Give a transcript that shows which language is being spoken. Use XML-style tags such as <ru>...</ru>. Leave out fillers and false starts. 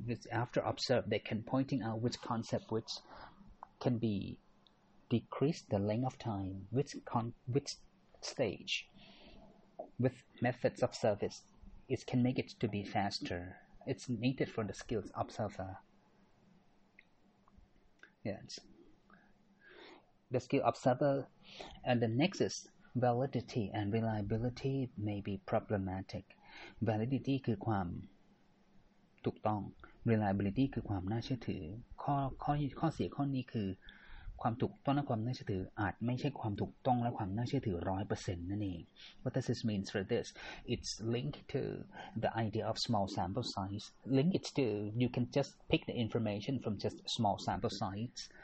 <en>After observe, they can pointing out which concept which can be decreased the length of time, which stage with methods of service, it can make it to be faster. It's needed for the skills observer. Yes. The skill observer, and the next is validity and reliability may be problematic.</en> <th>Validity คือความถูกต้อง. Reliability คือความน่าเชื่อถือ.ข้อเสียข้อนี้คือความถูกต้องและความน่าเชื่อถืออาจไม่ใช่ความถูกต้องและความน่าเชื่อถือ 100% นั่นเอง.</th> <en>What does this mean for this? It's linked to the idea of small sample size. Linked to, you can just pick the information from just small sample size.</en>